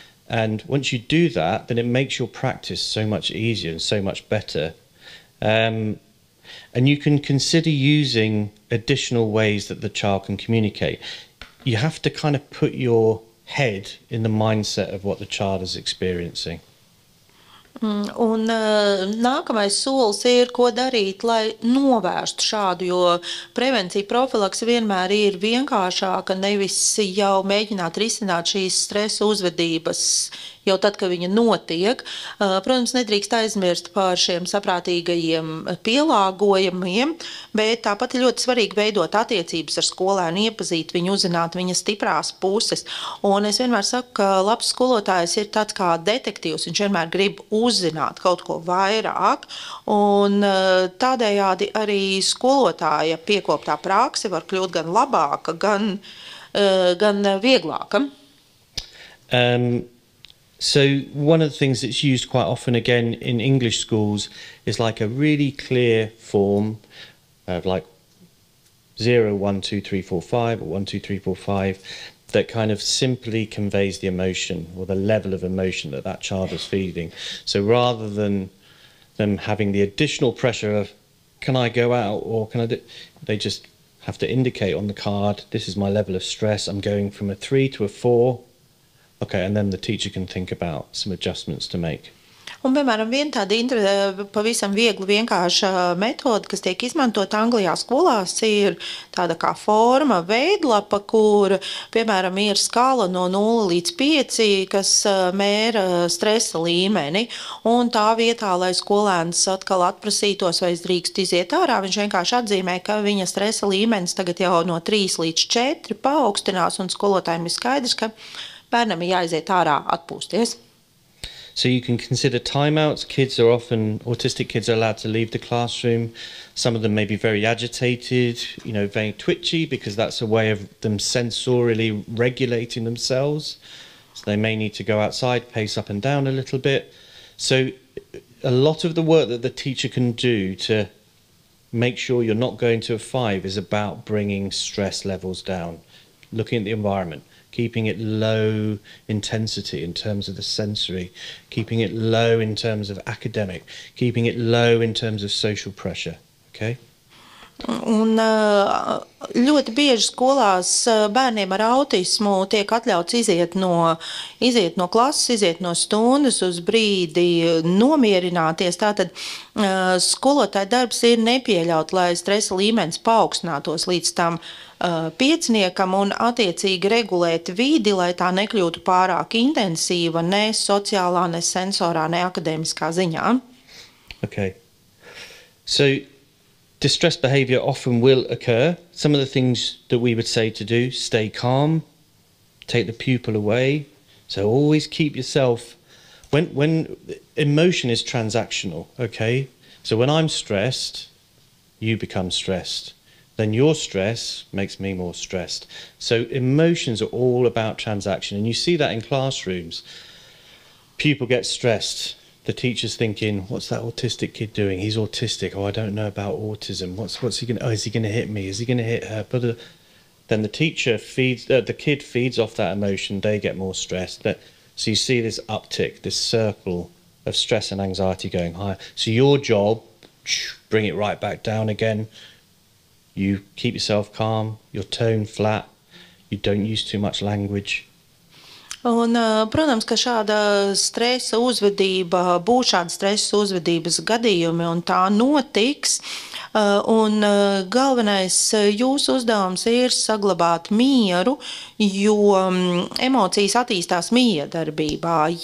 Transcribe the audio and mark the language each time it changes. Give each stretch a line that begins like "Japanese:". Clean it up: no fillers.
English: And once you do that, then it makes your practice so much easier and so much better. And you can consider using additional ways that the child can communicate. You have to kind of put your head in the mindset of what the child is experiencing.
Latvian: Un nākamais solis ir, ko darīt, lai novērstu šādu, jo prevencija profilaks vienmēr ir vienkāršāka, nevis jau mēģināt risināt šīs stresa uzvedības, jau tad, kad viņa notiek. Protams, nedrīkst aizmirst par šiem saprātīgajiem pielāgojumiem, bet tāpat ir ļoti svarīgi veidot attiecības ar skolēnu, iepazīt viņu, uzzināt viņa stiprās puses. Un es vienmēr saku, ka labs skolotājs ir tāds kā detektīvs, viņš vienmēr grib uzzināt kaut ko vairāk, un tādējādi arī skolotāja piekoptā prakse var kļūt gan labāka, gan, gan vieglāka.
English: So one of the things that's used quite often again in English schools is like a really clear form of like 0, 1, 2, 3, 4, 5, or 1, 2, 3, 4, 5, that kind of simply conveys the emotion or the level of emotion that that child is feeling. So rather than them having the additional pressure of, can I go out or can I do, they just have to indicate on the card, this is my level of stress, I'm going from a 3 to a 4. Okay, and then the teacher can think about some adjustments to make.
Latvian: Un, piemēram, viena tāda pavisam viegla, vienkārša metode, kas tiek izmantota Anglijā skolās, ir tāda kā forma, veidlapa, kur, piemēram, ir skala no 0 līdz 5, kas mēra stresa līmeni. Un tā vietā, lai skolēns atkal atprasītos vai drīkst iziet ārā, viņš vienkārši atzīmē, ka viņa stresa līmenis tagad jau no 3 līdz 4 paaugstinās, un skolotājiem ir skaidrs, ka bērnam ir jāaiziet ārā atpūsties.
English: So you can consider timeouts. Kids are often, autistic kids are allowed to leave the classroom. Some of them may be very agitated, you know, very twitchy, because that's a way of them sensorially regulating themselves. So they may need to go outside, pace up and down a little bit. So a lot of the work that the teacher can do to make sure you're not going to a five is about bringing stress levels down, looking at the environment. Keeping it low intensity in terms of the sensory, keeping it low in terms of academic, keeping it low in terms of social pressure, okay?
Latvian: Un ļoti bieži skolās bērniem ar autismu tiek atļauts iziet no klases, iziet no stundas uz brīdi nomierināties. Tātad skolotāja darbs ir nepieļaut, lai stresa līmenis paaugstinātos līdz tam pieciniekam un attiecīgi regulēt vidi, lai tā nekļūtu pārāk intensīva ne sociālā, ne sensorā, ne akadēmiskā ziņā.
English: Okay. So distress behavior often will occur. Some of the things that we would say to do, stay calm, take the pupil away. So always keep yourself, when emotion is transactional, okay? So when I'm stressed, you become stressed. Then your stress makes me more stressed. So emotions are all about transaction. And you see that in classrooms. Pupil gets stressed. The teacher's thinking, what's that autistic kid doing? He's autistic. Oh, I don't know about autism. What's he going to, oh, is he going to hit me? Is he going to hit her? But then the teacher feeds, the kid feeds off that emotion. They get more stressed. So you see this uptick, this circle of stress and anxiety going higher. So your job, bring it right back down again. You keep yourself calm, your tone flat, you don't use too much language.
Latvian: Un, protams, ka šāda stresa uzvedība, būs šāda stresa uzvedības gadījumi un tā notiks. Un galvenais jūsu uzdevums ir saglabāt mieru, jo emocijas attīstās mijiedarbībā.